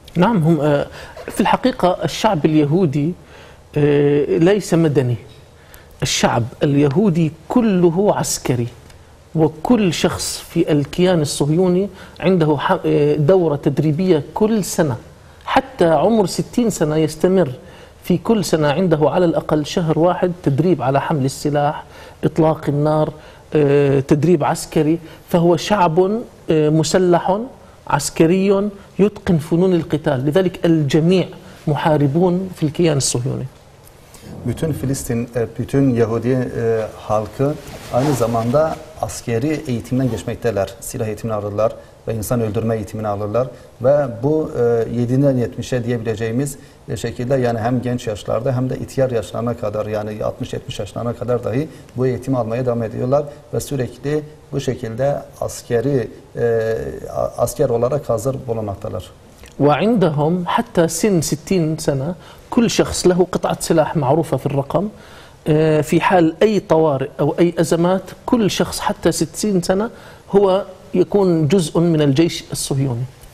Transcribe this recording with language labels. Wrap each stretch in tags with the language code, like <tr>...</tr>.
<ar>نعم هم في الحقيقة الشعب اليهودي ليس مدني الشعب اليهودي كله عسكري وكل شخص في الكيان الصهيوني عنده دورة تدريبية كل سنة حتى عمر 60 سنة يستمر في كل سنة عنده على الأقل شهر واحد تدريب على حمل السلاح إطلاق النار تدريب عسكري فهو شعب مسلح عسكري يتقن فنون القتال لذلك الجميع محاربون في الكيان الصهيوني</ar> <tr>bütün Filistin bütün Yahudi halkı aynı zamanda askeri eğitimden geçmekteler. Silah eğitimini alırlar ve insan öldürme eğitimini alırlar ve bu 7'den 70'e diyebileceğimiz şekilde yani hem genç yaşlarda hem de ihtiyar yaşlarına kadar yani 60-70 yaşlarına kadar dahi bu eğitimi almaya devam ediyorlar ve sürekli bu şekilde askeri asker olarak hazır bulunmaktalar.</tr> <ar>وعندهم حتى سن 60 سنة كل شخص له قطعة سلاح معروفة في الرقم في حال أي طوارئ أو أي أزمات كل شخص حتى 60 سنة هو يكون جزء من الجيش الصهيوني</ar>